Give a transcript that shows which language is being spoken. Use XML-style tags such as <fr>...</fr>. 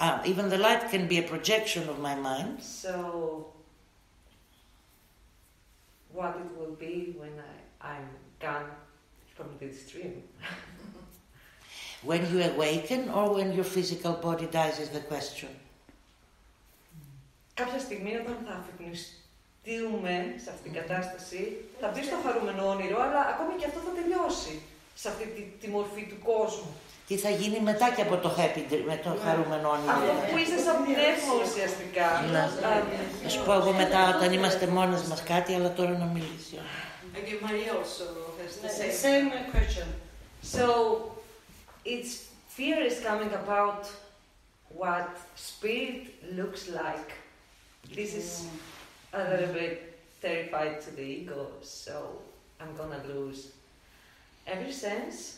<en>Even the light can be a projection of my mind. So, what it will be when I'm gone from this dream? When you awaken or when your physical body dies is the question.</en> <el>Κάποια στιγμή όταν θα αφυπνιστούμε σε αυτήν την κατάσταση, θα μπει στο χαρούμενο όνειρο, αλλά ακόμη και αυτό θα τελειώσει σε αυτή τη μορφή του κόσμου. Τι θα γίνει μετά και από το</el> <en>happy dream,</en> <el>με το χαρούμενο όνειρο. Αυτό που είσαι σαν πνεύμα ουσιαστικά. Να σου πω εγώ μετά όταν είμαστε μόνες μας κάτι, αλλά τώρα να μιλήσω.</el> <en>Okay, Maria also has the same question. So, it's fear is coming about what spirit looks like. This is a little bit terrified to the ego, so I'm gonna lose every sense.</en>